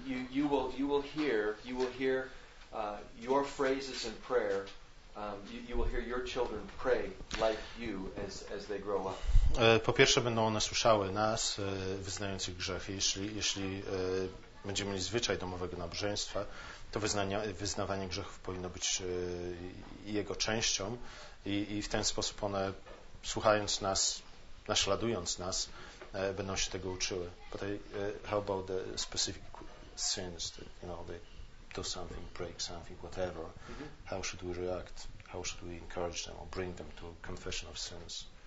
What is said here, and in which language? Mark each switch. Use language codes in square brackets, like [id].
[en] You will hear your phrases in prayer. You will hear your children pray like you as they grow up. [pl] Po pierwsze, będą one słyszały nas, wyznających grzechy. Jeśli będziemy mieli zwyczaj domowego nabożeństwa, to wyznawanie grzechów powinno być jego częścią i w ten sposób one, słuchając nas, naśladując nas, będą się tego uczyły. [en] But how about the specific sins that, you know, they do something, break something, whatever. Mm-hmm. How should we react? How should we encourage them or bring them to confession of sins?